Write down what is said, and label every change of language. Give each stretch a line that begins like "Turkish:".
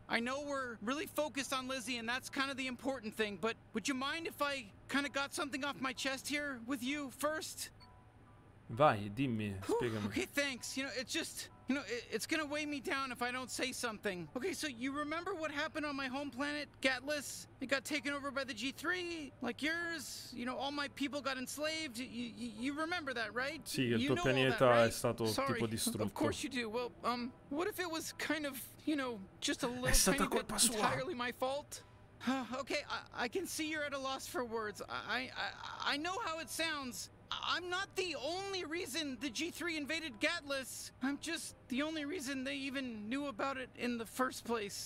English: I know we're really focused on Lizzie and that's kind of the important thing, but would you mind if I kind of got something off my chest here with you first?
Italian: Vai, dimmi, spiegami.
English: Okay, thanks. You know, it's just, you know, it's gonna weigh me down if I don't say something. Okay, so you remember what happened on my home planet, Gatlas? It got taken over by the G3, like yours. You know, all my people got enslaved. You remember that, right?
Italian: Sì, il tuo pianeta è stato tipo distrutto.
English: Of course you do. Well, what if it was kind of, you know, just a little tiny bit entirely my fault? Okay, I can see you're at a loss for words. I know how it sounds. I'm not the only reason the G3 invaded Gatlas. I'm just the only reason they even knew about it in the first place.